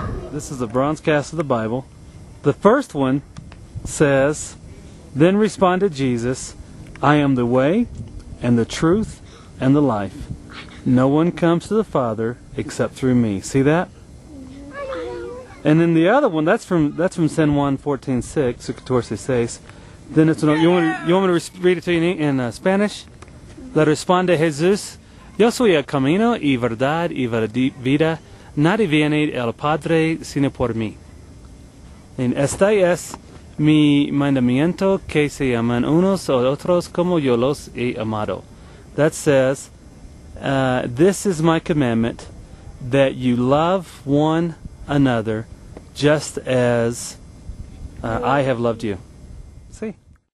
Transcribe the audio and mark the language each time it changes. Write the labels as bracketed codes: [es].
[en] This is a bronze cast of the Bible. The first one says, "Then responded Jesus, I am the way and the truth and the life. No one comes to the Father except through me." See that? And then the other one, that's from San Juan 14:6, Sucator se says. Then it's you want me to read it to you in Spanish? [es] Le responde Jesús, "Yo soy el camino y verdad y vida. Nadie viene al Padre sino por mí. En este es mi mandamiento que se aman unos a otros como yo los he amado." [en] That says, "This is my commandment, that you love one another just as I have loved you." See?